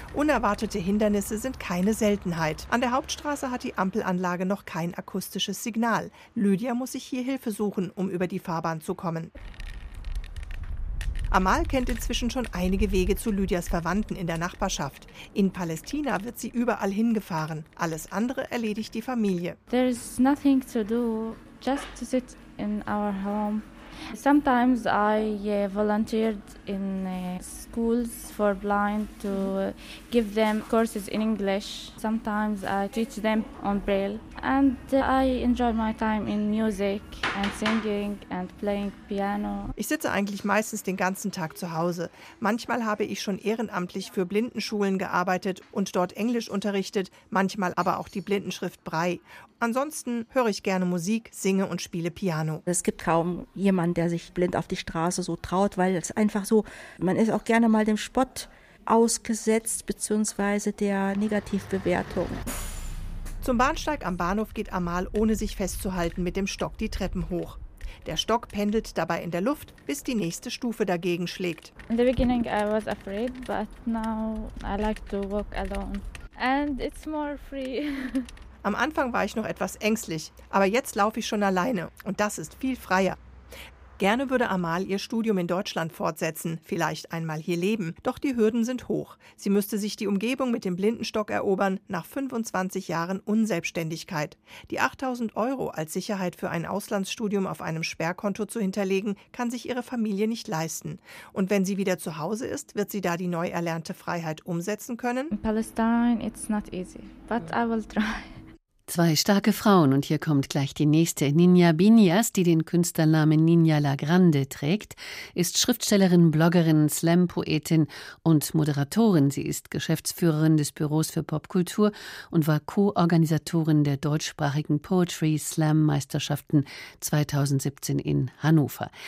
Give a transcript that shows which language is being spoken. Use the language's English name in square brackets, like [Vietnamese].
[German] Unerwartete Hindernisse sind keine Seltenheit. An der Hauptstraße hat die Ampelanlage noch kein akustisches Signal. Lydia muss sich hier Hilfe suchen, um über die Fahrbahn zu kommen. Amal kennt inzwischen schon einige Wege zu Lydias Verwandten in der Nachbarschaft. In Palästina wird sie überall hingefahren. Alles andere erledigt die Familie. [English] There is nothing to do, just to sit in our home. Sometimes I volunteered in schools for blind to give them courses in English. Sometimes I teach them on Braille. And I enjoy my time in music and singing and playing piano. [German] Ich sitze eigentlich meistens den ganzen Tag zu Hause. Manchmal habe ich schon ehrenamtlich für Blindenschulen gearbeitet und dort Englisch unterrichtet, manchmal aber auch die Blindenschrift Brei. Ansonsten höre ich gerne Musik, singe und spiele Piano. Es gibt kaum jemanden, der sich blind auf die Straße so traut, weil es einfach so, man ist auch gerne mal dem Spott ausgesetzt bzw. der Negativbewertung. Zum Bahnsteig am Bahnhof geht Amal, ohne sich festzuhalten, mit dem Stock die Treppen hoch. Der Stock pendelt dabei in der Luft, bis die nächste Stufe dagegen schlägt. [English] In the beginning I was afraid, but now I like to walk alone. And it's more free. [German] Am Anfang war ich noch etwas ängstlich, aber jetzt laufe ich schon alleine und das ist viel freier. Gerne würde Amal ihr Studium in Deutschland fortsetzen, vielleicht einmal hier leben. Doch die Hürden sind hoch. Sie müsste sich die Umgebung mit dem Blindenstock erobern, nach 25 Jahren Unselbstständigkeit. Die 8.000 Euro als Sicherheit für ein Auslandsstudium auf einem Sperrkonto zu hinterlegen, kann sich ihre Familie nicht leisten. Und wenn sie wieder zu Hause ist, wird sie da die neu erlernte Freiheit umsetzen können? [English] In Palestine, it's not easy, but I will try. [German] Zwei starke Frauen und hier kommt gleich die nächste. Ninia Binias, die den Künstlernamen Ninia La Grande trägt, ist Schriftstellerin, Bloggerin, Slam-Poetin und Moderatorin. Sie ist Geschäftsführerin des Büros für Popkultur und war Co-Organisatorin der deutschsprachigen Poetry-Slam-Meisterschaften 2017 in Hannover.